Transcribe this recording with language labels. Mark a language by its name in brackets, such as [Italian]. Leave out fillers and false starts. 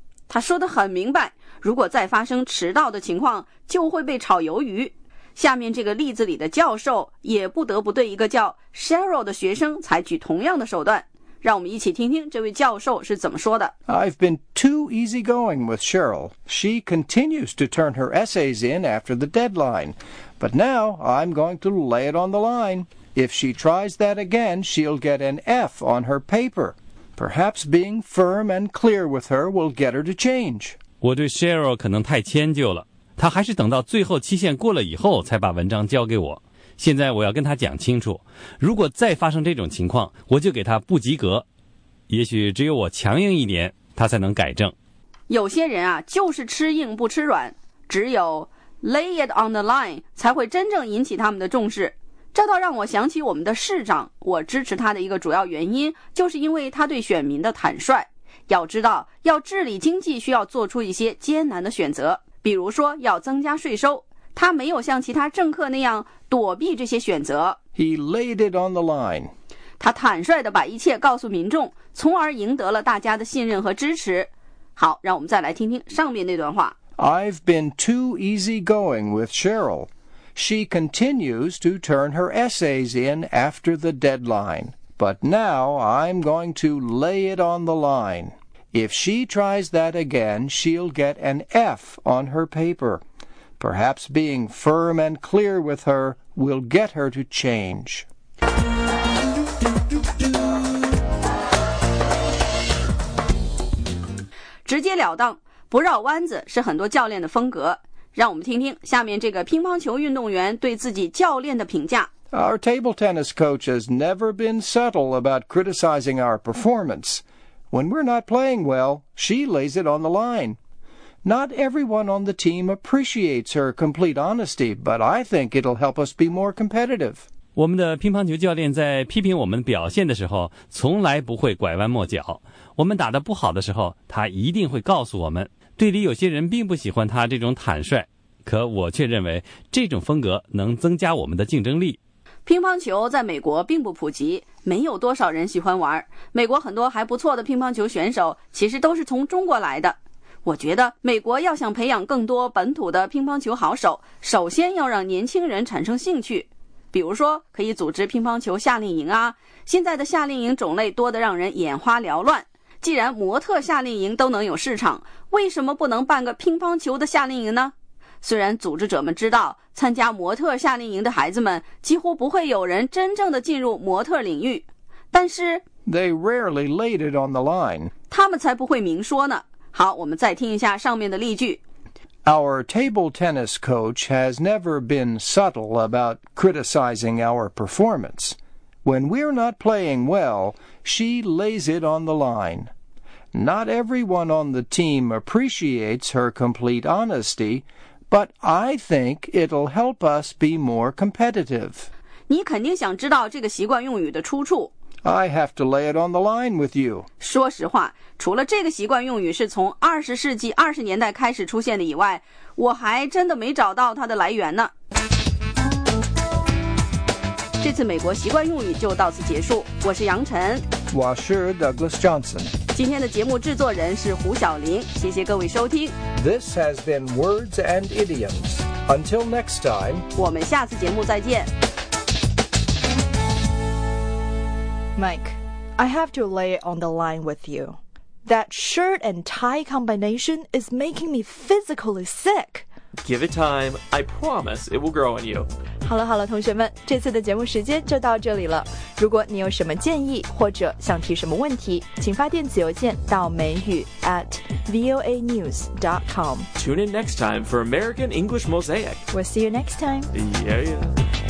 [Chinese] 他说得很明白，如果再发生迟到的情况，就会被炒鱿鱼。下面这个例子里的教授也不得不对一个叫 Cheryl 的学生采取同样的手段。让我们一起听听这位教授是怎么说的。 [English] I've been too easygoing with Cheryl. She continues to turn her essays in after the deadline. But now I'm going to lay it on the line. If she tries that again, she'll get an F on her paper. Perhaps being firm and clear with her will get her to change. [Chinese] 我对 Cheryl 可能太迁就了，她还是等到最后期限过了以后才把文章交给我。现在我要跟她讲清楚，如果再发生这种情况，我就给她不及格。也许只有我强硬一点，她才能改正。有些人啊，就是吃硬不吃软，只有 lay it on the line 才会真正引起他们的重视。这倒让我想起我们的市长，我支持他的一个主要原因，就是因为他对选民的坦率。要知道，要治理经济需要做出一些艰难的选择，比如说要增加税收。他没有像其他政客那样躲避这些选择。 [English] He laid it on the line. [Chinese] 他坦率地把一切告诉民众，从而赢得了大家的信任和支持。好，让我们再来听听上面那段话。 [English] I've been too easygoing with Cheryl. She continues to turn her essays in after the deadline. But now I'm going to lay it on the line. If she tries that again, she'll get an F on her paper. Perhaps being firm and clear with her will get her to change. [Chinese] 直截了当，不绕弯子是很多教练的风格。让我们听听下面这个乒乓球运动员对自己教练的评价。 [English] Our table tennis coach has never been subtle about criticizing our performance. When we're not playing well, she lays it on the line. Not everyone on the team appreciates her complete honesty, but I think it'll help us be more competitive. [Chinese] 我们的乒乓球教练在批评我们表现的时候，从来不会拐弯抹角。我们打得不好的时候，他一定会告诉我们。队里有些人并不喜欢他这种坦率，可我却认为这种风格能增加我们的竞争力。乒乓球在美国并不普及，没有多少人喜欢玩。美国很多还不错的乒乓球选手其实都是从中国来的。我觉得美国要想培养更多本土的乒乓球好手，首先要让年轻人产生兴趣。比如说可以组织乒乓球夏令营啊，现在的夏令营种类多得让人眼花缭乱。既然模特夏令营都能有市场，为什么不能办个乒乓球的夏令营呢？虽然组织者们知道，参加模特夏令营的孩子们几乎不会有人真正的进入模特领域，但是 [English] They rarely laid it on the line. [Chinese] 他们才不会明说呢。好，我们再听一下上面的例句。 [English] Our table tennis coach has never been subtle about criticizing our performance. When we're not playing well, she lays it on the line. Not everyone on the team appreciates her complete honesty, but I think it'll help us be more competitive. [Chinese] 你肯定想知道这个习惯用语的出处。 [English] I have to lay it on the line with you. [Chinese] 说实话，除了这个习惯用语是从20世纪20年代开始出现的以外，我还真的没找到它的来源呢。这次美国习惯用语就到此结束，我是杨晨，我是 Douglas Johnson，今天的节目制作人是胡晓玲，谢谢各位收听。 [English] This has been Words and Idioms. Until next time， [Chinese] 我们下次节目再见。 [English] Mike， I have to lay it on the line with you. That shirt and tie combination is making me physically sick. Give it time. I promise it will grow on you. [Chinese] 好了好了，同学们，这次的节目时间就到这里了。如果你有什么建议或者想提什么问题，请发电子邮件到美语 @voanews.com. [English] Tune in next time for American English Mosaic. We'll see you next time. Yeah, yeah.